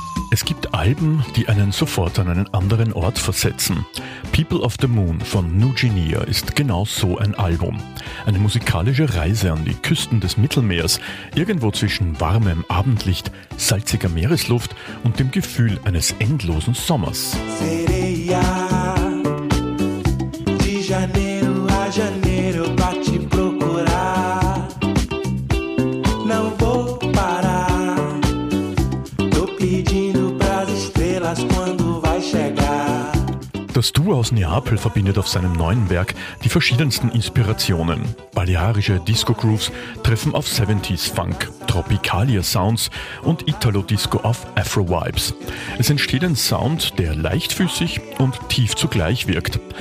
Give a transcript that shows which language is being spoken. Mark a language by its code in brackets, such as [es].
[de] Es gibt Alben, die einen sofort an einen anderen Ort versetzen. People of the Moon von Nugenia ist genau so ein Album. Eine musikalische Reise an die Küsten des Mittelmeers, irgendwo zwischen warmem Abendlicht, salziger Meeresluft und dem Gefühl eines endlosen Sommers. [pt] Sereia, de janeiro a janeiro pra te procurar. Não vou parar, tô pedindo pras estrelas quando vai chegar. [de] Das Duo aus Neapel verbindet auf seinem neuen Werk die verschiedensten Inspirationen. Balearische Disco-Grooves treffen auf 70s-Funk, Tropicalia-Sounds und Italo-Disco auf Afro-Vibes. Es entsteht ein Sound, der leichtfüßig und tief zugleich wirkt.